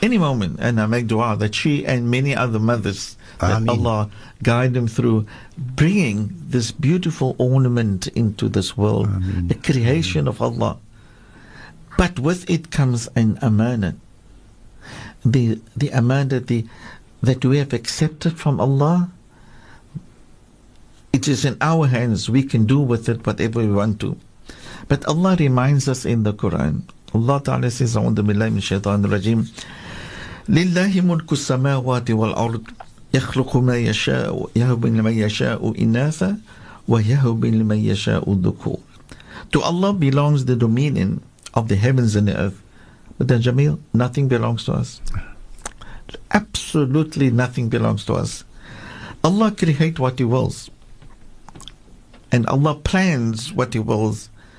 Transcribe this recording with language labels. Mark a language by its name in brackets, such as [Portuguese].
[English] Any moment, and I make dua that she and many other mothers, that Allah guide them through bringing this beautiful ornament into this world, a creation of Allah. But with it comes an amanah. The amanah that we have accepted from Allah, it is in our hands. We can do with it whatever we want to. But Allah reminds us in the Quran. Allah Ta'ala says, [Arabic] أعوذ بالله من الشيطان الرجيم لله ملك السماوات والأرض يخلق ما يشاء يهب لمن يشاء إناثا ويهب لمن يشاء الذكور. [English] To Allah belongs the dominion of the heavens and the earth. But then, Jamil, nothing belongs to us. Absolutely nothing belongs to us. Allah creates what He wills. And Allah plans what He wills.